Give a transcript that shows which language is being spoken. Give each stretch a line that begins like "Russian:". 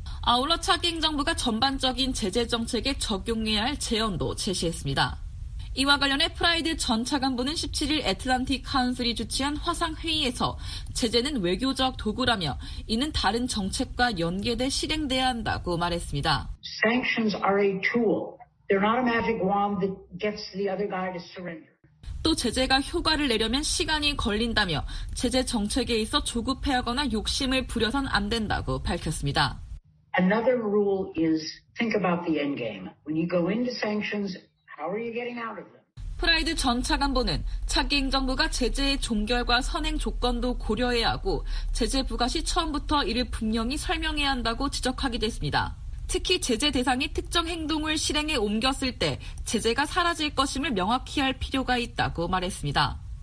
Korean: 아울러 차기 행정부가 전반적인 제재 정책에 적용해야 할 제언도 제시했습니다. 이와 관련해 프라이드 전 차관보는 17일 애틀랜틱 카운슬이 주최한 화상회의에서 제재는 외교적 도구라며 이는 다른 정책과 연계돼 실행돼야 한다고 말했습니다.
English: Sanctions are a tool. They're not a magic wand that gets the other guy to surrender.
Korean: 또 제재가 효과를 내려면 시간이 걸린다며 제재 정책에 있어 조급해하거나 욕심을 부려선 안 된다고 밝혔습니다.
English: Another rule is think about the end game. When you go into sanctions, how are you getting out of them?
Korean: 프라이드 전 차관보는 차기 행정부가 제재의 종결과 선행 조건도 고려해야 하고 제재 부과 시 처음부터 이를 분명히 설명해야 한다고 지적하기도 했습니다. 특히 제재 대상이 특정 행동을 실행에 옮겼을 때 제재가 사라질 것임을 명확히 할 필요가 있다고 말했습니다.